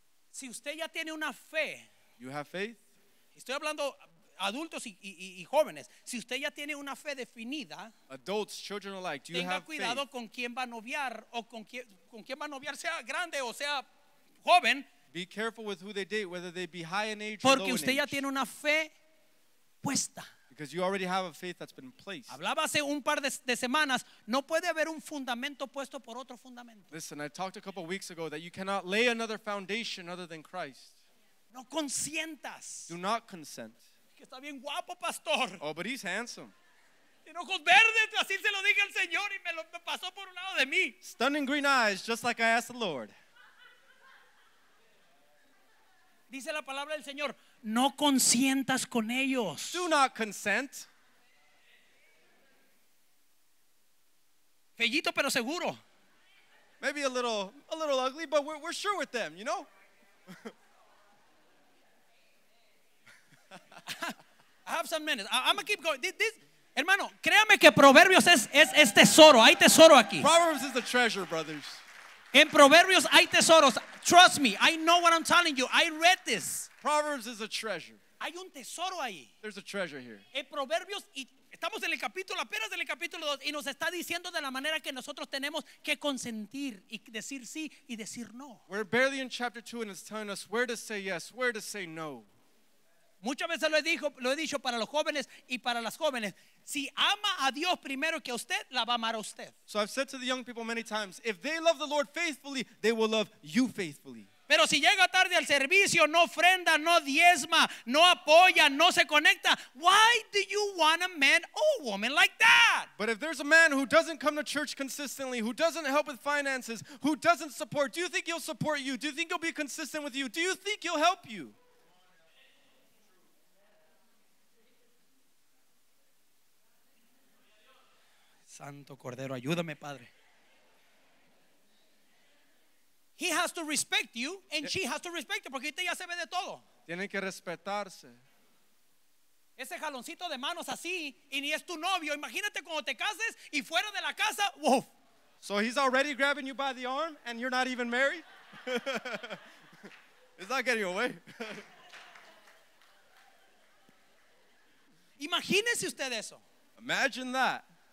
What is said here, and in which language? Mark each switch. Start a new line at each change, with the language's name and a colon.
Spanish: Si usted ya tiene una fe.
English: You have faith.
Spanish: Estoy hablando adultos y jóvenes. Si usted ya tiene una fe definida.
English: Adults, children alike, do you
Spanish: tenga
English: have
Spanish: cuidado
English: faith?
Spanish: Con quién va a noviar o con quién. Con quién va a noviar, sea grande o sea joven.
English: Be careful with who they date, whether they be high in age.
Spanish: Porque usted ya
English: age.
Spanish: Tiene una fe puesta.
English: Because you already have a faith that's been placed.
Spanish: Hablaba hace un par de semanas. No puede haber un fundamento puesto por otro fundamento.
English: Listen, I talked a couple of weeks ago that you cannot lay another foundation other than Christ.
Spanish: No consientas.
English: Do not consent.
Spanish: Que está bien guapo, pastor.
English: Oh, but he's handsome.
Spanish: Ojos verdes, así se lo dije al Señor y me lo pasó por un lado de mí.
English: Stunning green eyes, just like I asked the Lord.
Spanish: Dice la palabra del Señor, no consientas con ellos.
English: Do not consent.
Spanish: Fellito, pero seguro.
English: Maybe a little ugly, but we're sure with them, you know? I have some minutes. I'm gonna keep going. This
Spanish: Hermano, créame que Proverbios es tesoro. Hay tesoro aquí.
English: Proverbs is the treasure, brothers.
Spanish: En Proverbios hay tesoros.
English: Trust me, I know what I'm telling you. I read this. Proverbs is a treasure.
Spanish: Hay un tesoro ahí.
English: There's a treasure here.
Spanish: En Proverbios, y estamos en el capítulo, apenas en el capítulo 2, y nos está diciendo de la manera que nosotros tenemos que consentir y decir sí y decir no.
English: We're barely in chapter 2 and it's telling us where to say yes, where to say no.
Spanish: Muchas veces lo he dicho para los jóvenes y para las jóvenes. Si ama a Dios primero que usted, la va a amar a usted.
English: So I've said to the young people many times, if they love the Lord faithfully, they will love you faithfully.
Spanish: Pero si llega tarde al servicio, no ofrenda, no diezma, no apoya, no se conecta,
English: why do you want a man or woman like that? But if there's a man who doesn't come to church consistently, who doesn't help with finances, who doesn't support, do you think he'll support you? Do you think he'll be consistent with you? Do you think he'll help you?
Spanish: Santo Cordero, ayúdame, Padre.
English: He has to respect you, and she has to respect you,
Spanish: porque usted ya se ve de todo. Tienen que respetarse. Ese jaloncito de manos así, y ni es tu novio. Imagínate cuando te cases y fuera de la casa, woof.
English: So he's already grabbing you by the arm, and you're not even married? It's not getting away.
Spanish: Imagínese usted eso.
English: Imagine that.